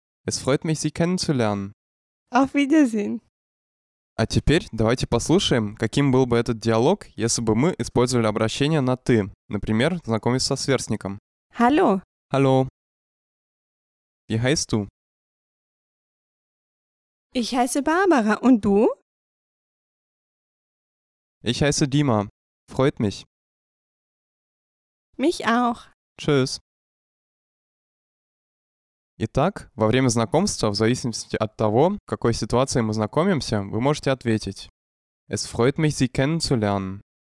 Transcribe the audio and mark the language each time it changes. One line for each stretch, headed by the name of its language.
German: Es freut mich, Sie kennenzulernen. Auf Wiedersehen.
Russian: А теперь давайте послушаем, каким был бы этот диалог, если бы мы использовали обращение на «ты», например, знакомиться со сверстником.
German: Hallo. Hallo. Wie heißt du? Ich heiße Barbara. Und du? Ich heiße Dima. Freut mich. Mich auch. Tschüss.
Russian: Итак, во время знакомства, в зависимости от того, в какой ситуации мы знакомимся, вы можете ответить.
German: Es freut mich, Sie kennenzulernen.